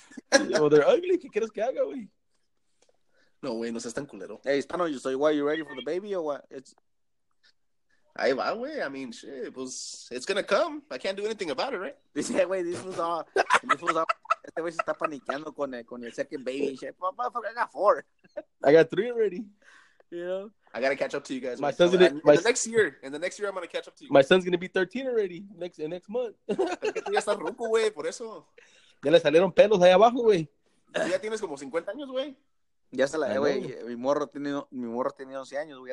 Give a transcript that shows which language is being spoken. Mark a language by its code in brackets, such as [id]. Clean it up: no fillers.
[en] Thank you. Well, they're ugly. [es] ¿Qué quieres que haga, güey? No, güey, no seas tan culero. [en] Hey, Hispano, so why you ready for the baby or what? It's. [es] Ahí va, güey. [en] I mean, shit. It's gonna come. I can't do anything about it, right? This was all. This was all. [es] Este güey se está paniqueando con el second baby. [en] Like, motherfucker, I got four. I got three already. You know? I gotta catch up to you guys. In the next year, I'm gonna catch up to you. My son's gonna be 13 already next month. [es] Ya está ruco, güey, por eso. Ya le salieron pelos ahí abajo, güey. Ya tienes como 50 años, güey. Ya se la, güey. Mi morro tiene 11 años, güey.